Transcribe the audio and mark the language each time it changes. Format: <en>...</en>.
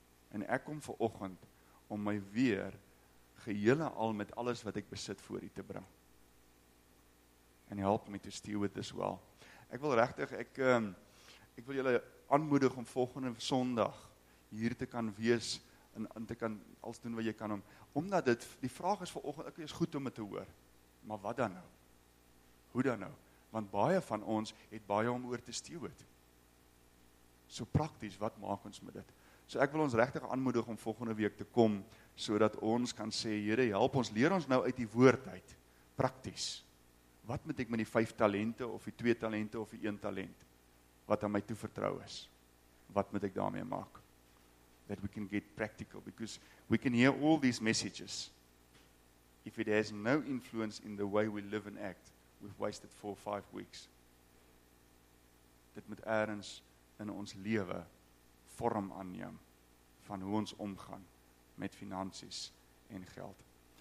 <af>En ek kom vanoggend om my weer geheel en al met alles wat ek besit voor U te bring.</af> <en>En help my to steal with this well.</en> <af>Ek wil regtig ek wil julle aanmoedig om volgende Sondag hier te kan wees en te kan alles doen wat jy kan omdat dit die vraag is vanoggend, ek is goed om dit te hoor. Maar wat dan nou? Hoe dan nou? Want baie van ons het baie om oor te steward. So prakties, wat maak ons met dit? So ek wil ons regtig aanmoedig om volgende week te kom sodat ons kan sê, Here, help ons, leer ons nou uit die woord uit prakties. Wat moet ek met die 5 talente of die 2 talente of die 1 talent wat aan my toevertrou is? Wat moet ek daarmee maak?</af> <en>That we can get practical, because we can hear all these messages. If it has no influence in the way we live and act, we've wasted 4 or 5 weeks.</en> <af>Dit moet ergens in ons lewe vorm aanneem van hoe ons omgaan met finansies en geld.</af>